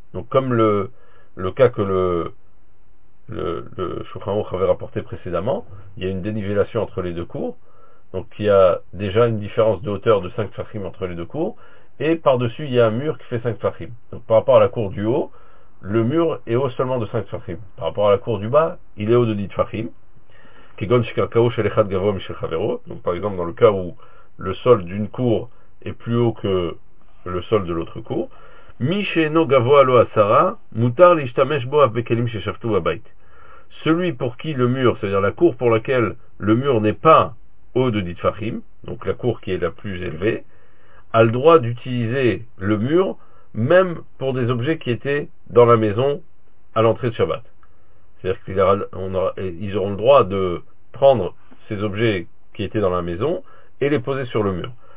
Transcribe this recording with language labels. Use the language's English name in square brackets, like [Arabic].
[French] Donc comme le cas que le Shulchan Aruch avait rapporté précédemment, il y a une dénivellation entre les deux cours, donc il y a déjà une différence de hauteur de 5 Fachim entre les deux cours, et par-dessus il y a un mur qui fait 5 Fachim. Donc par rapport à la cour du haut, le mur est haut seulement de 5 Fachim. Par rapport à la cour du bas, il est haut de Dit Fachim. Donc par exemple dans le cas où le sol d'une cour est plus haut que le sol de l'autre cour. [Hebrew] מי שאינו גבוה לו 10, מותר להשתמש בו אף בכלים ששפטו בבית. [French] Celui pour qui le mur, c'est-à-dire la cour pour laquelle le mur n'est pas haut de Ditfahim, donc la cour qui est la plus élevée, a le droit d'utiliser le mur même pour des objets qui étaient dans la maison à l'entrée de Shabbat. C'est-à-dire qu'ils auront le droit de prendre ces objets qui étaient dans la maison et les poser sur le mur.